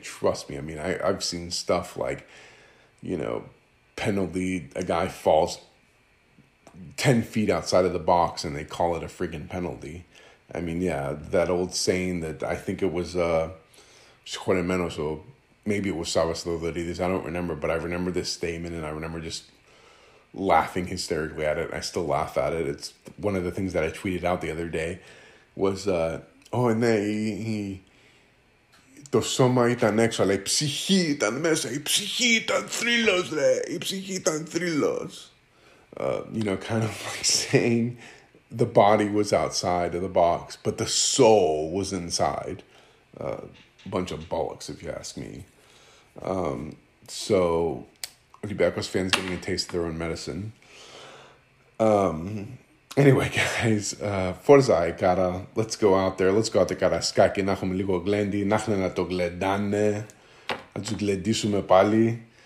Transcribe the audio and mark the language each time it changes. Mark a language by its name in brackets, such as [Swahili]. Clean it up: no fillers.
[English] Trust me. I mean, I've seen stuff like, you know, penalty, a guy falls 10 feet outside of the box and they call it a friggin' penalty. I mean, yeah, that old saying that I think it was Schwarzenegger, so maybe it was Savas Lodolidis, I don't remember, but I remember this statement and I remember just laughing hysterically at it. I still laugh at it. It's one of the things that I tweeted out the other day. Was and then the [Greek] soma ήταν έξω, αλλά η ψυχή ήταν μέσα. Η ψυχή ήταν θρύλος, ρε. Η ψυχή ήταν θρύλος. [English] You know, kind of like saying the body was outside of the box, but the soul was inside. Bunch of bollocks, if you ask me. So, Olympiakos fans getting a taste of their own medicine. Anyway, guys, Forza Ikara, let's go out there. Let's go out to Karaskaki, [Greek] να έχουμε λίγο γλέντι, να έχουν να το γλεντάνε, να τους γλεντήσουμε πάλι.